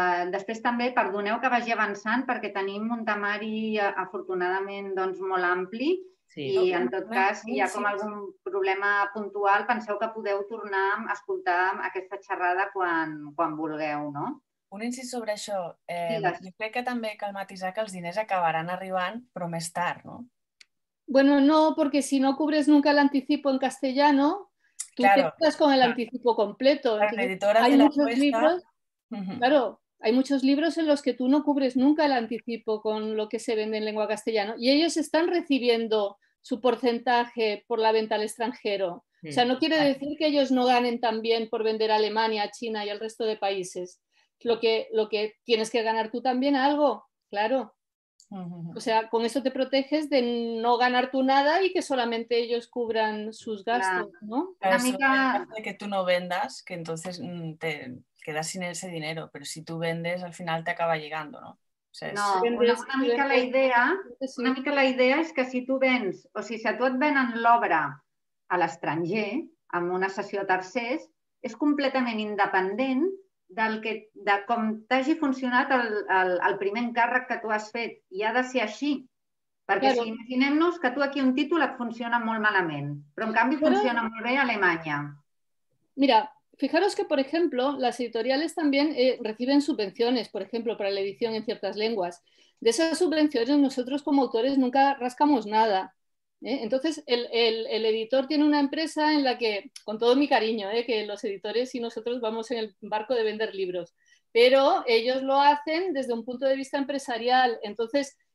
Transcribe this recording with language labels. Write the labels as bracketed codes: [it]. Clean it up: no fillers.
[ca] Després també, perdoneu que vagi avançant perquè tenim un temari afortunadament molt ampli i en tot cas, si hi ha com algun problema puntual, penseu que podeu tornar a escoltar aquesta xerrada quan vulgueu, no? Un incís sobre això. Jo crec que també cal matisar que els diners acabaran arribant, però més tard, no? [es] Bueno, no, porque si no cubres nunca el anticipo en castellano, tú te quedas con el anticipo completo. La editora de la apuesta... Claro, hay muchos libros en los que tú no cubres nunca el anticipo con lo que se vende en lengua castellana y ellos están recibiendo su porcentaje por la venta al extranjero. O sea, no quiere decir que ellos no ganen también por vender a Alemania, China y al resto de países. Lo que tienes que ganar tú también algo, claro. O sea, con eso te proteges de no ganar tú nada y que solamente ellos cubran sus gastos, ¿no? Claro, eso significa que tú no vendas, que entonces te quedas sin ese dinero, pero si tú vendes, al final te acaba llegando, ¿no? O sea, no, [ca] una mica la idea es que si tú vens, o si a tu et venen l'obra a l'estranger, amb una sessió a tercers, és completament independent de com t'hagi funcionat el primer encàrrec que tu has fet. I ha de ser així. Perquè si imaginem-nos que tu aquí un títol et funciona molt malament, però en canvi funciona molt bé a Alemanya. [es] Mira, fijaros que, por ejemplo, las editoriales también reciben subvenciones, por ejemplo, para la edición en ciertas lenguas. De esas subvenciones nosotros como autores nunca rascamos nada. Entonces, el editor tiene una empresa en la que, con todo mi cariño, que los editores y nosotros vamos en el barco de vender libros, pero ellos lo hacen desde un punto de vista empresarial. Entonces,